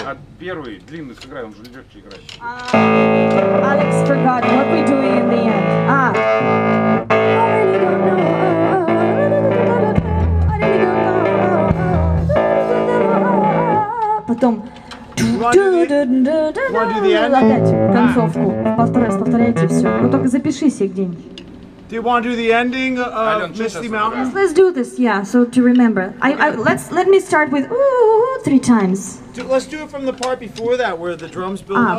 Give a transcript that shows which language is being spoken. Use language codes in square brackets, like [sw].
[ru] От первый длинный сыграй, он же легче играет. [en] Alex forgot what we doing in the end. [ru] Потом концовку. Повторяй, повторяйте все. Ну только запиши себе где-нибудь. [en] Do you want to do the ending of Misty Mountain? Yes, let's do this, yeah, so to remember. Let me start with ooh, three times. Let's do it from the part before that, where the drums build up.